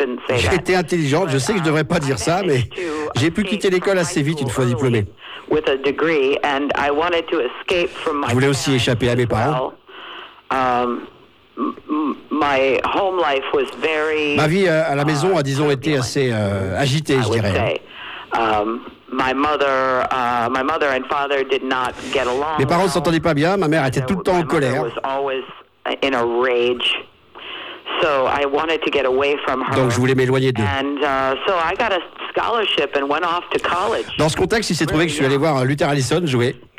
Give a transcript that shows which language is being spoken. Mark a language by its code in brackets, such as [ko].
[fr] J'étais intelligente, je sais que je ne devrais pas dire ça, mais j'ai pu quitter l'école assez vite une fois diplômé. Je voulais aussi échapper à mes parents. [en] My home life was very. [fr] Ma vie à la maison a, disons, été assez agitée, je dirais. [en] My mother and father did not get along. [fr] Mes parents ne s'entendaient pas bien. Ma mère était tout le temps en colère. [en] My mother was always in a rage, so I wanted to get away from her. [fr] Donc je voulais m'éloigner d'eux. [en] And so I got a scholarship and went off to college. [fr] Dans ce contexte, il s'est trouvé que je suis allé voir Luther Allison jouer.